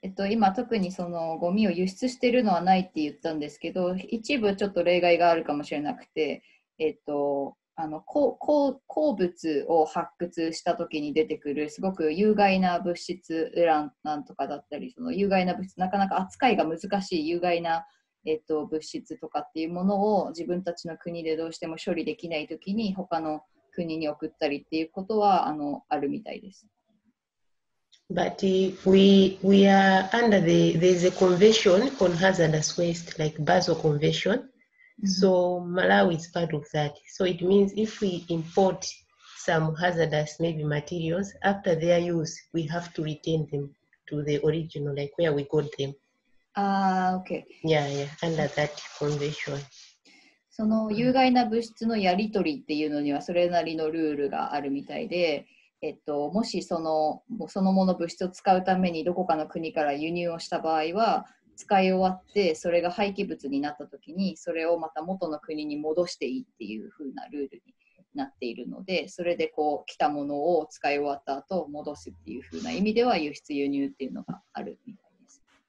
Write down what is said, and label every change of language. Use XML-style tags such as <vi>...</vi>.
<ja>今特にそのゴミを輸出してるのはないって言ったんですけど、一部ちょっと例外があるかもしれなくて、鉱物を発掘した時に出てくるすごく有害な物質、ウランなんとかだったり、その有害な物質、なかなか扱いが難しい有害な、物質とかっていうものを自分たちの国でどうしても処理できない時に他の国に送ったりっていうことは あるみたいです。</ja> <en>But we are under the, there's a convention on hazardous waste, like Basel Convention. So Malawi is part of that. So it means if we import some hazardous maybe materials, after their use, we have to return them to the original, like where we got them. Okay. Yeah, under that convention.</en> <ja>その有害な物質のやり取りっていうのにはそれなりのルールがあるみたいで、もしそのもの物質を使うためにどこかの国から輸入をした場合は、使い終わってそれが廃棄物になった時にそれをまた元の国に戻していいっていう風なルールになっているので、それでこう来たものを使い終わった後戻すっていう風な意味では輸出輸入っていうのがあるみたいです。</ja>